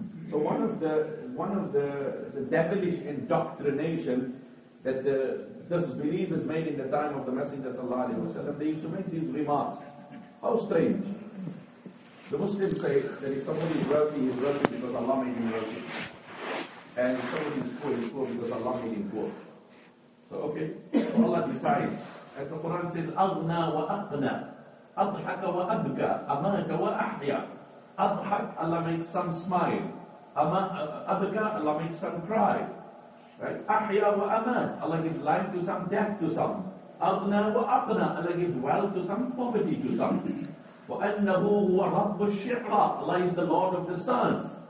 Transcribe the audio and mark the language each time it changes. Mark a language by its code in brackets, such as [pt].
[en] So one of the devilish indoctrinations that the disbelievers made in the time of the Messenger sallallahu alaihi wasallam, they used to make these remarks. How strange. The Muslims say that if somebody is wealthy, he's wealthy because Allah made him wealthy. And if somebody is poor, he's poor because Allah made him poor. So okay. So Allah decides. As the Quran says, [ar] أَغْنَى وَأَقْنَى أَضْحَكَ وَأَبْكَى أَمَاتَ وَأَحْيَى. أَضْحَكَ, [en] Allah makes some smile. [ar] أَبْكَى, [en] Allah makes some cry. Right? [ar] أَحْيَى وَأَمَاتَ, [en] Allah gives life to some, death to some. [ar] أَغْنَى وَأَقْنَى, [en] Allah gives wealth to some, poverty to some. [ar] وَأَنَّهُ هُوَ رَبُّ الشِّعْرَى, [en] Allah is the Lord of the stars.